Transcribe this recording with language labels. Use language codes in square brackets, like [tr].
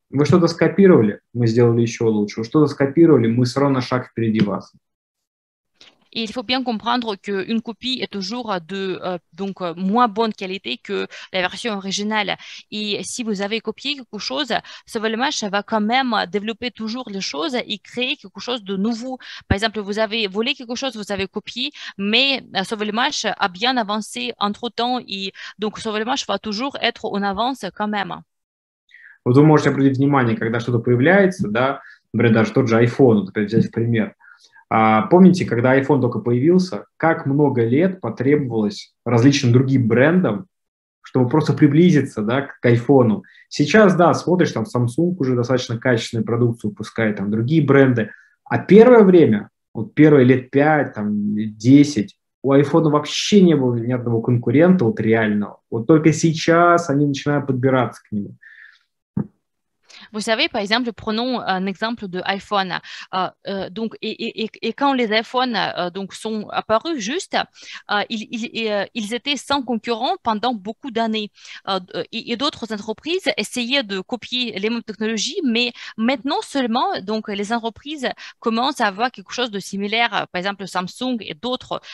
[ru] Вы что-то скопировали, мы сделали еще лучше. Вы что-то скопировали, мы все равно на шаг впереди вас. [fr] Et il faut bien comprendre qu'une copie est toujours donc moins bonne qualité que la version originale. Et si vous avez copié quelque chose, Sauvelmash va quand même développer toujours les choses et créer quelque chose de nouveau. Par exemple, vous avez volé quelque chose, vous avez copié, mais Sauvelmash a bien avancé entre-temps et donc Sauvelmash va toujours être en avance quand même. [ru] Вот вы можете обратить внимание, когда что-то появляется, да, например, даже тот же iPhone, вот опять взять в пример. Помните, когда iPhone только появился, как много лет потребовалось различным другим брендам, чтобы просто приблизиться, да, к iPhone? Сейчас, да, смотришь, там Samsung уже достаточно качественную продукцию выпускает, там другие бренды. А первое время, вот первые лет 5, там 10, у iPhone вообще не было ни одного конкурента, вот реального. Вот только сейчас они начинают подбираться к нему. [fr] Vous savez, par exemple, prenons un exemple de iPhone. Et quand les iPhones sont apparus juste, ils étaient sans concurrent pendant beaucoup d'années. Et d'autres entreprises essayaient de copier les mêmes technologies, mais maintenant seulement, donc les entreprises commencent à avoir quelque chose de similaire, par exemple Samsung et d'autres.